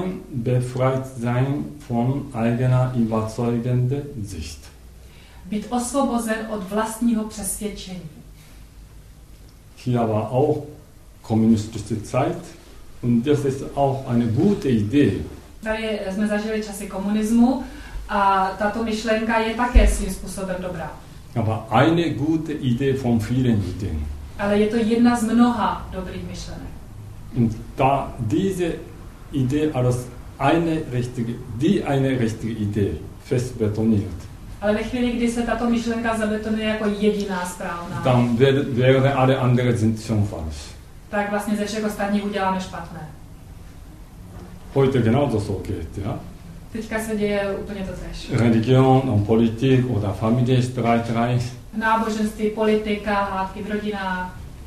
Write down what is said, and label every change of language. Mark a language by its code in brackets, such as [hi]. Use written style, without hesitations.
[de] Befreit sein von eigener überzeugende Sicht. [cs] Být osvobozen od vlastního přesvědčení. [de] Hier war auch kommunistische Zeit und das ist auch eine gute Idee. [cs] Tady jsme zažili časy komunismu a tato myšlenka je také svým způsobem dobrá. [de] Aber eine gute Idee von vielen Ideen. [cs] Ale je to jedna z mnoha dobrých myšlenek. [de] Und da diese Idee als eine richtige Idee fest betoniert. [cs] Ale ve chvíli, kdy se tato myšlenka zabetonuje jako jediná správná. [de] Dann werden alle anderen sind schon falsch. [cs] Tak vlastně ze všech ostatních uděláme špatné. [de] Heute genauso so geht, ja. [cs] Teďka se děje úplně to tež. [de] Religion und Politik oder Familie streit rein. [cs] Náboženství, politika, hádky v rodinách.